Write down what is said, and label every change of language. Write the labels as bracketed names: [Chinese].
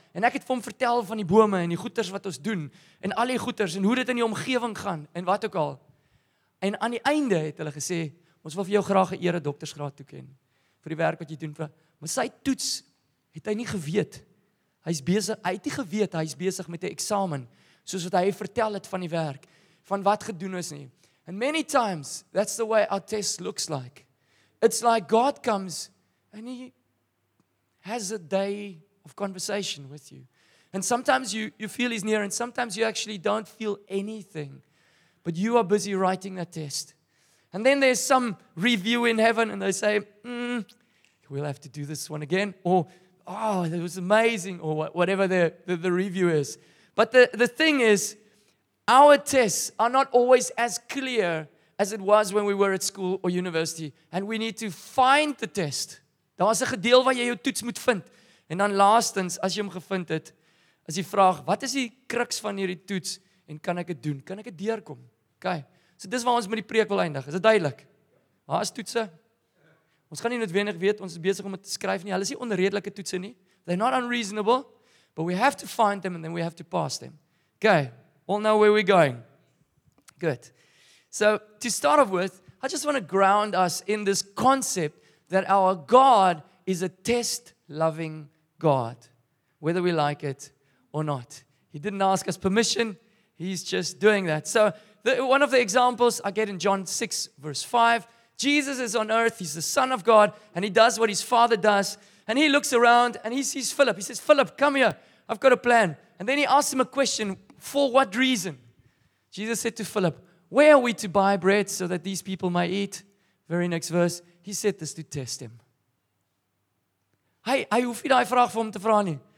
[Afrikaans] En ek het vir hom vertel van die bome en die goeters wat ons doen en al die goeters en hoe dit in die omgewing gaan en wat ook al. En aan die einde het hulle gesê, ons wil vir jou graag 'n ere doktorsgraad toeken vir die werk wat jy doen. Maar sy toets het hy nie geweet. Hy het nie geweet hy is besig met 'n eksamen, soos wat hy vertel het van die werk, van wat gedoen is nie. [English] And many times, that's the way our test looks like. It's like God comes and he has a day of conversation with you. And sometimes you feel he's near and sometimes you actually don't feel anything. But you are busy writing that test. And then there's some review in heaven and they say, we'll have to do this one again. Or, oh, that was amazing, or whatever the review is. But the thing is, our tests are not always as clear as it was when we were at school or university. And we need to find the test. [Afrikaans] Daar is 'n gedeel waar jy jou toets moet vind. En dan laastens, as jy hom gevind het, is die vraag, wat is die kruks van hierdie toets? En kan ek dit doen? Kan ek dit deurkom? Okay. So dis waar ons met die preek wil eindig. Is dit duidelik? Waar is toetse? Ons gaan nie noodwendig weet, ons is besig om dit te skryf nie. Hulle is nie onredelike toetse nie. [English] They're not unreasonable, but we have to find them and then we have to pass them. Okay, all know where we're going. Good. So, to start off with, I just want to ground us in this concept that our God is a test-loving God, whether we like it or not. He didn't ask us permission. He's just doing that. So, one of the examples I get in John 6, verse 5, Jesus is on earth. He's the Son of God, and He does what His Father does, and He looks around, and He sees Philip. He says, Philip, come here. I've got a plan. And then He asks him a question, for what reason? Jesus said to Philip, where are we to buy bread so that these people may eat? Very next verse, He said this to test him. [Afrikaans] Hy hoef nie die vraag vir hom te vra nie.